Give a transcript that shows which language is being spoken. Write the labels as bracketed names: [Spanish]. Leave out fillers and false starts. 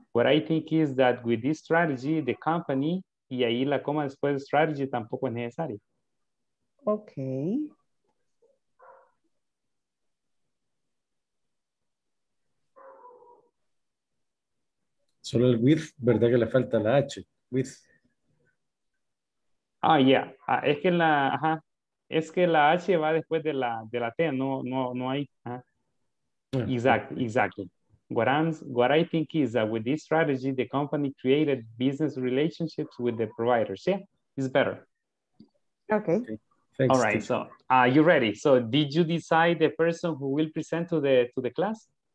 [English] What I think is that with this strategy, the company... [Spanish] Y ahí la coma después de strategy tampoco es necesaria. [English] Okay. [Spanish] Solo el with, ¿verdad que le falta la H? With. Ah, ya. Yeah. Ah, es que la, ajá. Es que la H va después de la T, no, no, no hay. [English] Ajá. Exactly, exactly. What I think is that with this strategy, the company created business relationships with the providers. Yeah, it's better. Okay. Okay. Thanks, all right, teacher. So are you ready? So did you decide the person who will present to the class?